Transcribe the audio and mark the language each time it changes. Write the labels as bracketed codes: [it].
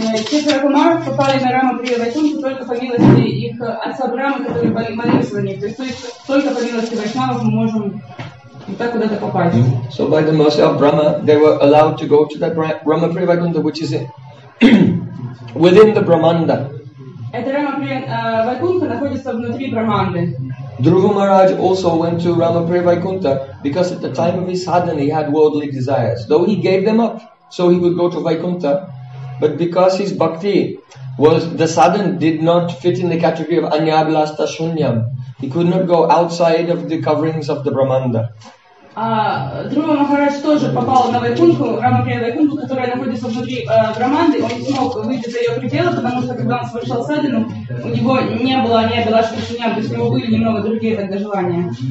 [ru] Четверо кумаров попали на Рама Прия Вайкунту только по милости их отца Брама, который молился за них. То есть только по милости Вайшнава мы можем вот так куда-то попасть. [en] So by the mercy of Brahma, they were allowed to go to that Рама Прия Вайкунта, which is within the Брахманда. [ru] Это Рама Прия Вайкунта находится внутри Брахманды. [en] Dhruva Maharaj also went to Рама Прия Вайкунта because at the time of his sadhana he had worldly desires, though he gave them up. So he would go to Vaikuntha, but because his bhakti was, the sadhan did not fit in the category of Anya Blasta Shunyam, he could not go outside of the coverings of the Brahmanda. [ru] Dhruva Maharaj тоже попал на Вайкунту, Рамакрия Вайкунту, которая находится внутри Брахманды, он не смог выйти за ее пределы, потому что когда он совершал садхану, у него не было Анья Блашта Шуньям, то есть у него были немного другие тогда желания.